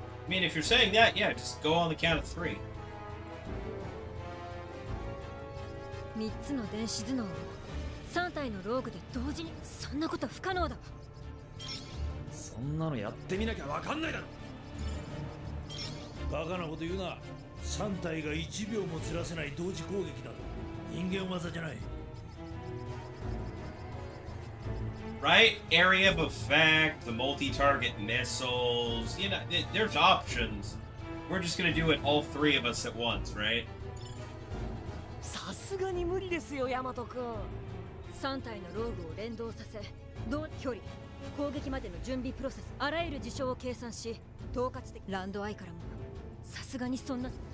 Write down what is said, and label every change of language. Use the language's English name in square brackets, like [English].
[English] I mean, if you're saying that, yeah, just go on the count of three. [Japanese] 3つの電子頭脳を3体のローグで同時に、そんなこと不可能だ。そんなのやってみなきゃ分かんないだろ。バカなこと言うな。 3体が1秒もずらせない同時攻撃だと。人間技じゃない。 [English] Right? Area of effect, the multi-target missiles, you know, there's options. We're just gonna do it all three of us at once, right? [Japanese] さすがに無理ですよ、ヤマト君。3体のローグを連動させ、同距離、攻撃までの準備プロセス、あらゆる事象を計算し、統括的ランドアイからも、さすがにそんな。